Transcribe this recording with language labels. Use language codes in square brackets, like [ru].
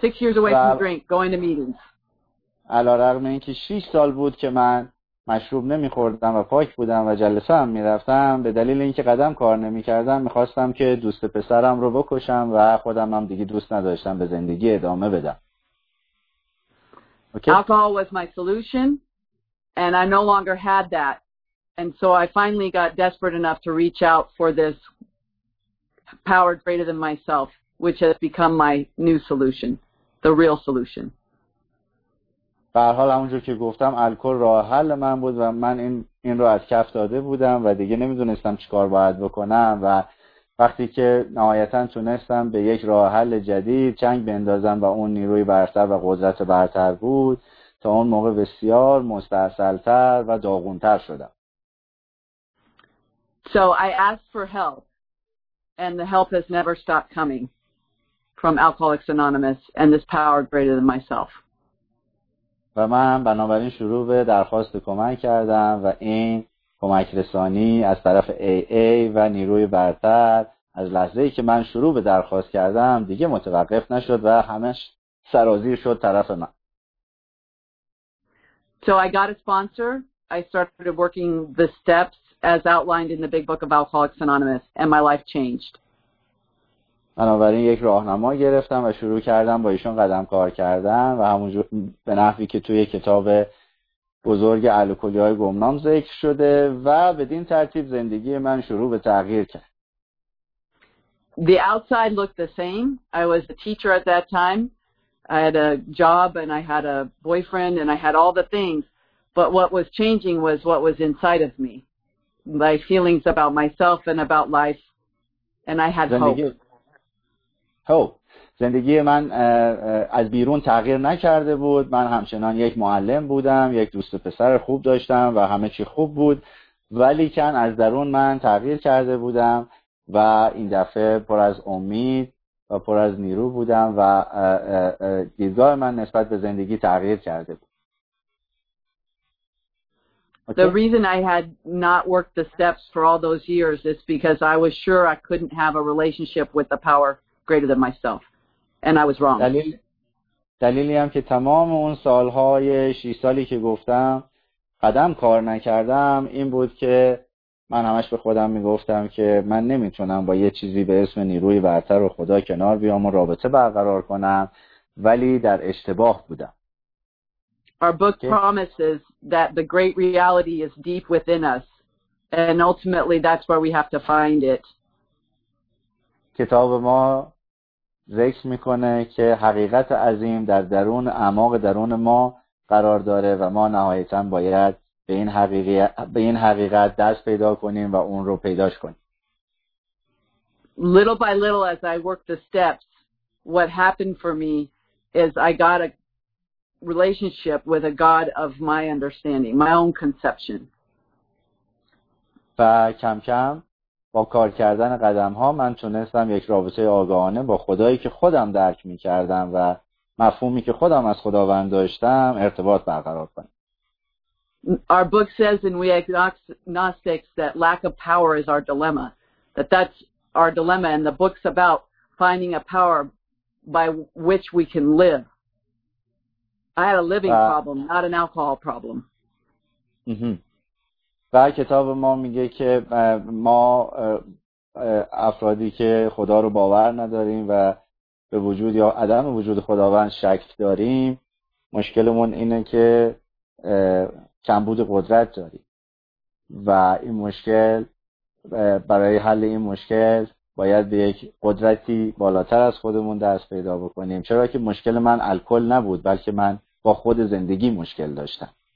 [en] 6 years away from drink, going to meetings. [fa] علارغم اینکه 6 سال بود که من مشروب نمی‌خوردم و پاک بودم و جلسه هم می‌رفتم به دلیل اینکه قدم کار نمی‌کردم می‌خواستم که دوست پسرم رو بکشم و خودم هم دیگه دوست نداشتم به زندگی ادامه بدم. [en] Okay. Alcohol was my solution and I no longer had that. And so I finally got desperate enough to reach out for this power greater than myself, which has become my new solution, the real solution. [fa] به هر حال همونجور که گفتم الکل راه حل من بود و من این رو از کف داده بودم و دیگه نمیدونستم چیکار باید بکنم و وقتی که نهایتاً تونستم به یک راه حل جدید چنگ بندازم و اون نیروی برتر و قدرت برتر بود تا اون موقع بسیار مستاصلتر و داغونتر شدم. [en] So I asked for help, and the help has never stopped coming from Alcoholics Anonymous and this power greater than myself. [fa] و من بنابراین شروع به درخواست کمک کردم و این کمک رسانی از طرف AA و نیروی برتر از لحظه‌ای که من شروع به درخواست کردم دیگه متوقف نشد و همش سرازیر شد طرف من. [en] So I got a sponsor. I started working the steps as outlined in the big book of Alcoholics Anonymous and my life changed. [fa] بنابراین یک راهنما گرفتم و شروع کردم با ایشون قدم کار کردن و همونجور به نحوی که توی کتاب بزرگ الکلی‌های گمنام ذکر شده و بدین ترتیب زندگی من شروع به تغییر کرد. [en] The outside looked the same. I was a teacher at that time. I had a job and I had a boyfriend and I had all the things, but what was changing was what was inside of me. My feelings about myself and about life, and I had hope. [fa] زندگی من از بیرون تغییر نکرده بود. من همچنان یک معلم بودم، یک دوست پسر خوب داشتم و همه چی خوب بود. ولی کن از درون من تغییر کرده بودم و این دفعه پر از امید و پر از نیرو بودم و دیدگاه من نسبت به زندگی تغییر کرده بود. [en] Okay. The reason I had not worked the steps for all those years is because I was sure I couldn't have a relationship with a power greater than myself. And I was wrong. [fa] دلیلی هم که تمام اون سالهای 6 سالی که گفتم قدم کار نکردم این بود که من همش به خودم میگفتم که من نمیتونم با یه چیزی به اسم نیروی برتر و خدا کنار بیام و رابطه برقرار کنم ولی در اشتباه بودم. [en] Our book promises that the great reality is deep within us, and ultimately that's where we have to find it. [fa] کتاب ما ذکر میکنه که حقیقت عظیم در درون اعماق درون ما قرار داره و ما نهایتاً باید به این حقیقت دست پیدا کنیم و اون رو پیداش کنیم. [en] Little by little as I worked the steps, what happened for me is I got a relationship with a God of my understanding, my own conception. [fa] و کم کم با کار کردن قدم ها من تونستم یک رابطه آگاهانه با خدایی که خودم درک می کردم و مفهومی که خودم از خداوند داشتم ارتباط برقرار کنم. [en] Our book says, and we agnostics, that lack of power is our dilemma. That's our dilemma, and the book's about finding a power by which we can live. I had a living problem, not an alcohol problem. [fa] و کتاب ما میگه که ما افرادی که خدا رو باور نداریم و به وجود یا عدم وجود خداوند شک داریم، مشکلمون اینه که کمبود قدرت داریم و این مشکل، برای حل این مشکل باید به یک قدرتی بالاتر از خودمون دست پیدا بکنیم، چرا که مشکل من الکل نبود بلکه من با خود زندگی مشکل داشتم.